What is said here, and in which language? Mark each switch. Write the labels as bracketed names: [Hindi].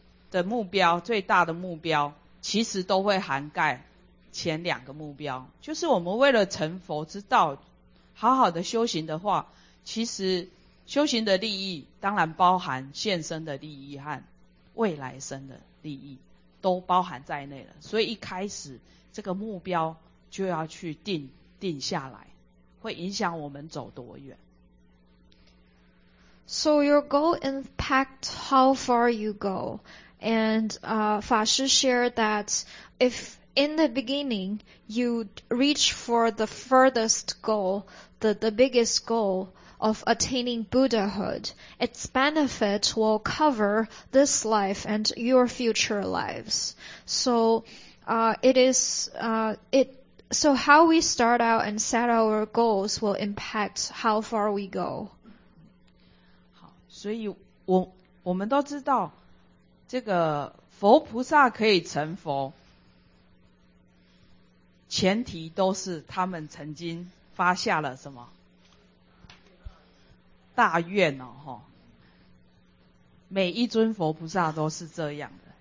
[Chinese] 的目标，最大的目标，其实都会涵盖前两个目标，就是我们为了成佛之道好好的修行的话，其实修行的利益当然包含现身的利益和未来生的利益都包含在内了，所以一开始这个目标就要去定下来，会影响我们走多远。 [English] So your goal impact how far you go, and 法师 share that ifIn the beginning, you reach for the furthest goal, the biggest goal of attaining Buddhahood. Its benefit will cover this life and your future lives. So, so how we start out and set our goals will impact how far we go. [Chinese] 好，所以我们都知道，这个佛菩萨可以成佛，前提都是他们曾经发下了什么大愿哦，每一尊佛菩萨都是这样的。